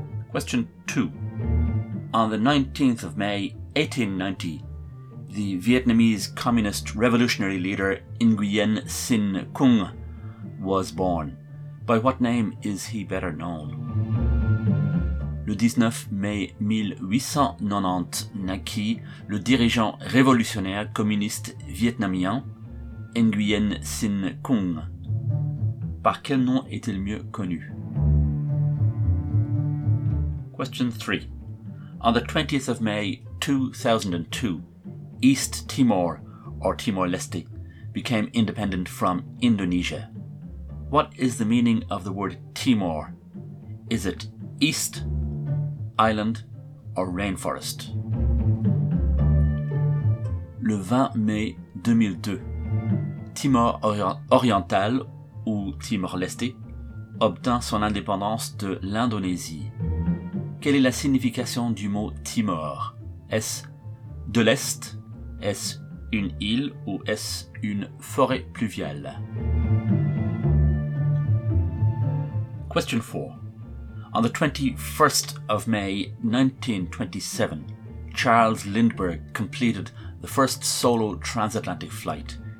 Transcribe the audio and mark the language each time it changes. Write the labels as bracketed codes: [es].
[en] Question 2. On the 19th of May 1890, the Vietnamese Communist Revolutionary leader Nguyen Sinh Cung was born. By what name is he better known? [fr] Le 19 mai 1890 naquit le dirigeant révolutionnaire communiste vietnamien Nguyen Sinh Cung. Par quel nom est-il mieux connu? [en] Question 3. On the 20th of May 2002, East Timor, or Timor-Leste, became independent from Indonesia. What is the meaning of the word Timor? Is it East, Island, or Rainforest? [fr] Le 20 mai 2002, Timor Oriental, ou Timor-Leste, obtint son indépendance de l'Indonésie. Quelle est la signification du mot Timor? Est-ce de l'Est? Est-ce une île ou est-ce une forêt pluviale? [en] Question 4. On the 21st of May 1927, Charles Lindbergh completed the first solo transatlantic flight.